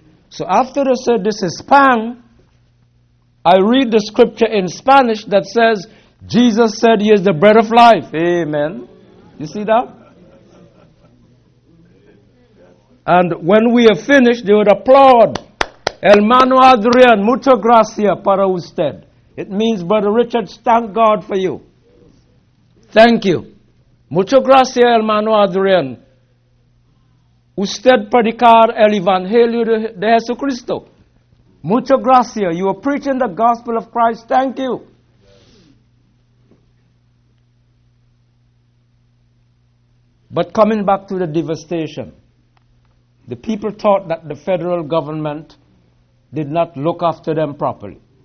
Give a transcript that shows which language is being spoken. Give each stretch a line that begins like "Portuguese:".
English: So after they said this is pang, I read the scripture in Spanish that says, Jesus said he is the bread of life. Amen. You see that? And when we are finished, they would applaud.
Spanish: Hermano Adrian, mucho gracias para usted.
English: It means, Brother Richard, thank God for you. Thank you.
Spanish: Mucho gracias, hermano Adrian. Usted predicar el evangelio de Jesucristo. Mucho gracias.
English: You are preaching the gospel of Christ. Thank you. But coming back to the devastation, the people thought that the federal government did not look after them properly.